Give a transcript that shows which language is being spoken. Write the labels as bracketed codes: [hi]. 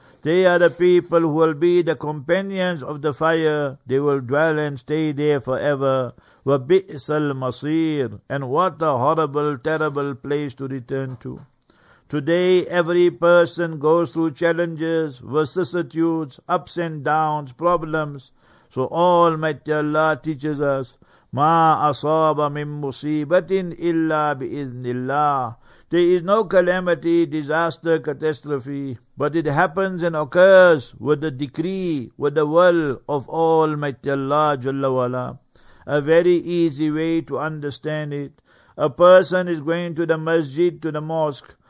[en] They are the people who will be the companions of the fire. They will dwell and stay there forever. [ar] وَبِئْسَ الْمَصِيرُ. [en] And what a horrible, terrible place to return to. Today, every person goes through challenges, vicissitudes, ups and downs, problems. So Almighty Allah teaches us, [ar] مَا أَصَابَ مِنْ مُصِيبَةٍ إِلَّا بِإِذْنِ اللَّهِ. [en] There is no calamity, disaster, catastrophe, but it happens and occurs with the decree, with the will of Almighty Allah Jalla Wala. A very easy way to understand it. A person is going to the masjid, to the mosque.